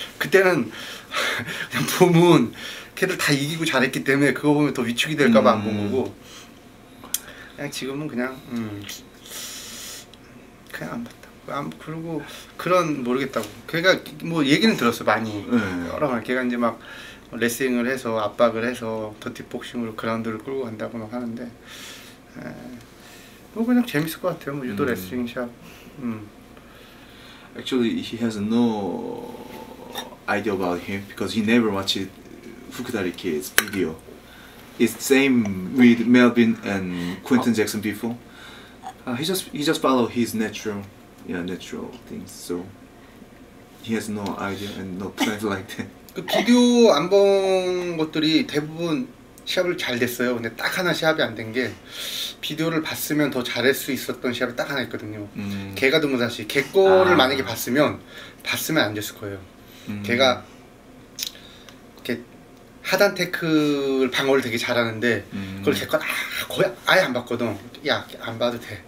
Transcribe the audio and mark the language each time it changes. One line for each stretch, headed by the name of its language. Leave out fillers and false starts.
Korean: 그때는 그냥 보면 걔들 다 이기고 잘했기 때문에 그거 보면 더 위축이 될까 봐 안 본 거고 그냥 지금은 그냥 그냥 안 봤다. 그리고 그런 모르겠다고. 걔가 뭐 얘기는 들었어 많이. 여러 번 걔가 이제 막 레슬링을 해서 압박을 해서 더티복싱으로 그라운드를 끌고 간다고 막 하는데 뭐 그냥 재밌을 것 같아요. 뭐 유도 레슬링 샵.
English: Actually, he has no idea about him because he never watched Fukudari Kid's video. It's same with Melvin and Quentin Jackson before. He just follow his natural, yeah, natural things. So he has no idea and no plans like that.
Korean: 그 비디오 안 본 것들이 대부분 시합을 잘 됐어요. 근데 딱 하나 시합이 안 된 게 비디오를 봤으면 더 잘할 수 있었던 시합이 딱 하나 있거든요. 걔가 든 무사시. 걔 거를 만약에 봤으면 안 됐을 거예요. 걔가 이렇게 하단 태클 방어를 되게 잘하는데 그걸 걔 건 거의 아예 안 봤거든. 야, 안 봐도 돼.